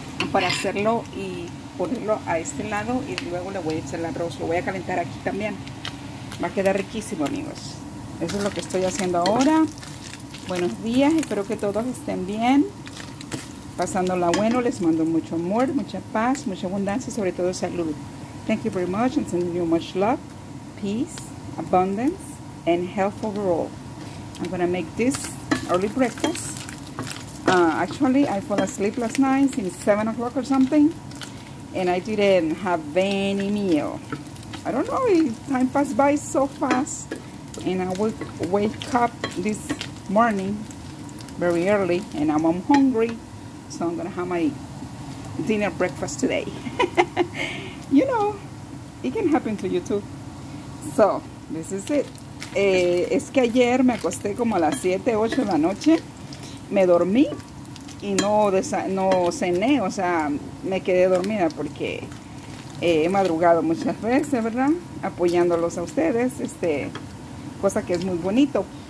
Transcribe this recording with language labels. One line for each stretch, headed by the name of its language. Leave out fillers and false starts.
Spanish: Para hacerlo y ponerlo a este lado. Y luego le voy a echar el arroz. Lo voy a calentar aquí también. Va a quedar riquísimo, amigos. Eso es lo que estoy haciendo ahora. Buenos días. Espero que todos estén bien. Pasándola bueno. Les mando mucho amor, mucha paz, mucha abundancia y sobre todo salud.
English: Thank you very much and sending you much love, peace, abundance, and health overall. I'm going to make this early breakfast. Actually, I fell asleep last night since 7 o'clock or something, and I didn't have any meal. I don't know, time passed by so fast, and I will wake up this morning very early, and I'm hungry, so I'm going to have my dinner breakfast today. You know, it can happen to you too. So, this is it.
Spanish: Es que ayer me acosté como a las 7, 8 de la noche. Me dormí y no cené. O sea, me quedé dormida porque he madrugado muchas veces, ¿verdad? Apoyándolos a ustedes. Cosa que es muy bonito.